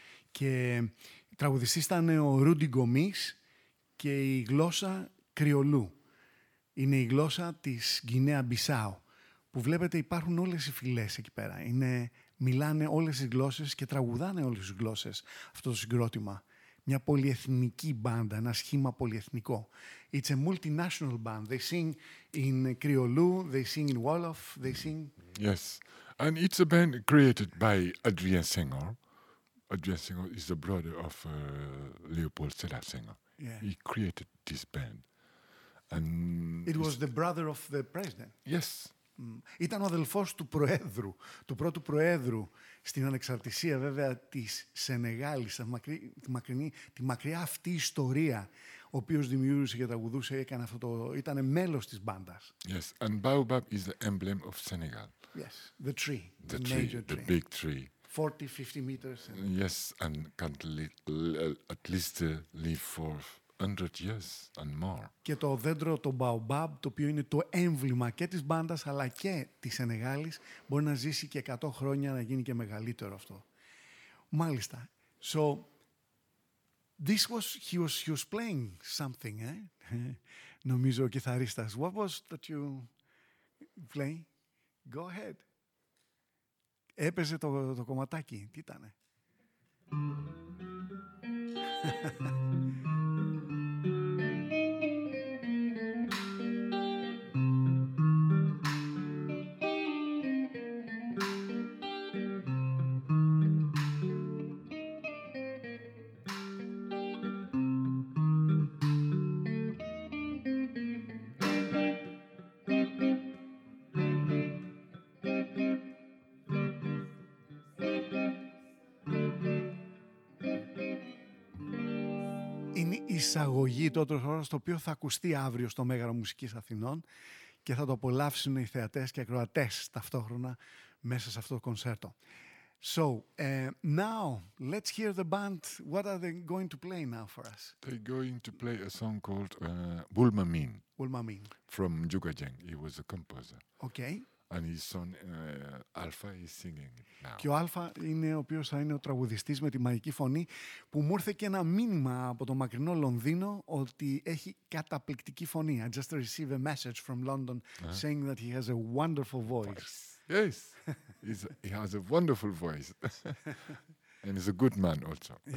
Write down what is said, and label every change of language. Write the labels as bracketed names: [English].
[Greek] Και τραγουδιστής ήταν ο Ρούντι Γκομής και η γλώσσα Κριολού. Είναι η γλώσσα της Γκινέα Μπισάου, που βλέπετε υπάρχουν όλες οι φυλές εκεί πέρα. Μιλάνε όλες τις γλώσσες και τραγουδάνε όλες τις γλώσσες αυτό το συγκρότημα. Μια πολυεθνική μπάντα, ένα σχήμα πολυεθνικό. [English] It's a multinational band. They sing in Κριολού, they sing in Wolof, they sing... Yes, and it's a band created by Adrien Senghor. Adrien Senghor is the brother of Leopold Sédar Senghor. Yeah. He created this band. And it was the brother of the president. Yes. [Greek] Ήταν ο αδελφός του Προέδρου, του πρώτου Προέδρου στην ανεξαρτησία βέβαια της Σενεγάλης, τη μακριά αυτή ιστορία, ο οποίος δημιούργησε και τραγουδούσε, έκανε αυτό το, ήταν μέλος της μπάντας. [English] Yes, and Baobab is the emblem of Senegal. Yes, the tree, the major tree, the big tree. 40, 50 meters. And yes, and can at least live for... 100 years and more. [Greek] Και το δέντρο, το Baobab, το οποίο είναι το έμβλημα και της μπάντας αλλά και της Σενεγάλης, μπορεί να ζήσει και 100 χρόνια, να γίνει και μεγαλύτερο αυτό. Μάλιστα. [English] So, this was, he was playing something, eh? [Greek] Νομίζω ο κιθαρίστας. [English] What was that you play? Go ahead. [Greek] Έπαιζε το κομματάκι. Τι ήτανε? Εισαγωγή του Otros Horas, το οποίο θα ακουστεί αύριο στο Μέγαρο Μουσικής Αθηνών και θα το απολαύσουν οι θεατές και ακροατές ταυτόχρονα μέσα σε αυτό το κονσέρτο. [English] So, now, let's hear the band. What are they going to play now for us? They're going to play a song called Bulmamin. Bulmamin. From Juga Jeng. He was a composer. Okay. And his son Alpha is singing it now. [Greek] Και ο Αλφα είναι ο οποίος θα είναι ο τραγουδιστής με τη μαγική φωνή, που μου ήρθε και ένα μήνυμα από το μακρινό Λονδίνο ότι έχει καταπληκτική φωνή. [English] I just received a message from London saying that he has a wonderful voice. Yes, he has a wonderful voice. And he's a good man also.